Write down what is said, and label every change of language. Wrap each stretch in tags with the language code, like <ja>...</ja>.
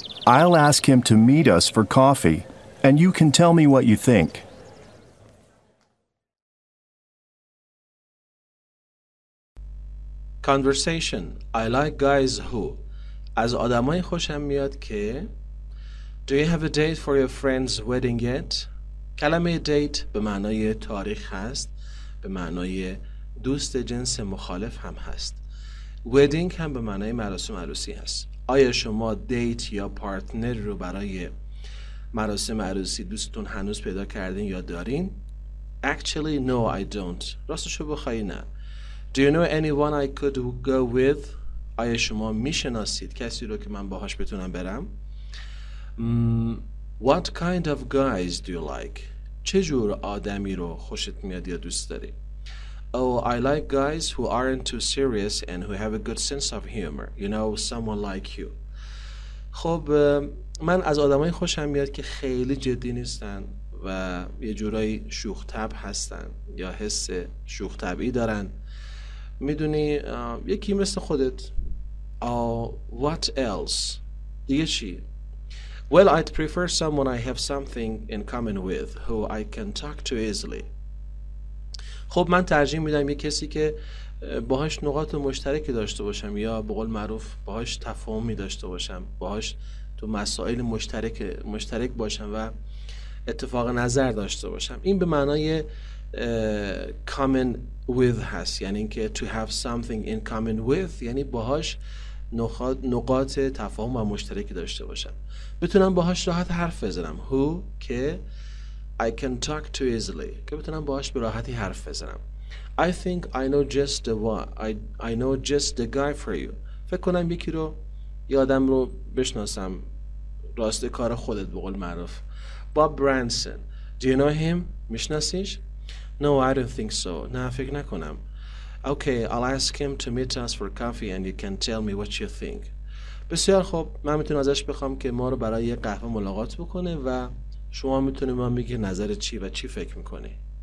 <en>I'll ask him to meet us for coffee, and you can tell me what you think. Conversation. I like guys who.</en> <fa>از آدمای خوشم میاد که.</fa> <en>Do you have a date for your friend's wedding yet?</en> <fa>کلمه date به معنای تاریخ هست، به معنای دوست جنس مخالف هم هست. ودینگ هم به معنای مراسم عروسی هست. آیا شما دیت یا پارتنر رو برای مراسم عروسی دوستتون هنوز پیدا کردین یا دارین؟</fa> <en>Actually, no, I don't.</en> <fa>راستشو بخوایی نه.</fa> <en>Do you know anyone I could go with?</en> <fa>آیا شما میشناسید کسی رو که من باهاش بتونم برم؟</fa> <en>What kind of guys do you like?</en> <fa>چه جور آدمی رو خوشت میاد یا دوست داری؟</fa> <en>Oh, I like guys who aren't too serious and who have a good sense of humor. You know, someone like you.</en> <fa>خب من از آدمای خوشم میاد که خیلی جدی نیستن و یه جورایی شوخ طبع هستن یا حس شوخ طبعی دارن. میدونی یکی مثل خودت.</fa> <en>What else?</en> <fa>دیگه چی؟</fa> <en>Well, I'd prefer someone I have something in common with who I can talk to easily.</en> <fa>خب من ترجیح میدم یک کسی که باهاش نقاط مشترکی داشته باشم یا به قول معروف باهاش تفاهمی داشته باشم، باهاش تو مسائل مشترک باشم و اتفاق نظر داشته باشم. این به معنای</fa> <en>common with</en> <fa>هست، یعنی که</fa> <en>to have something in common with</en> <fa>یعنی باهاش نقاط تفاهم و مشترکی داشته باشم، بتونم باهاش راحت حرف بزنم.</fa> <en>Who که I can talk to easily.</en> <fa>که بتونم باهاش به راحتی حرف بزنم.</fa> <en>I think I know just the one. I know just the guy for you.</en> <fa>فکر کنم یکی رو یادم رو بشناسم. راست کار خودت به قول معروف. Bob Branson.</fa> <en>Do you know him?</en> <fa>میشناسیش؟</fa> <en>No, I don't think so.</en> <fa>نه فکر نکنم.</fa> <en>Okay, I'll ask him to meet us for coffee and you can tell me what you think.</en> <fa>بسیار خوب. من میتونم ازش بخوام که ما رو برای یه قهوه ملاقات بکنه و شما میتونید من بگید نظر چی و چی فکر میکنی.</fa>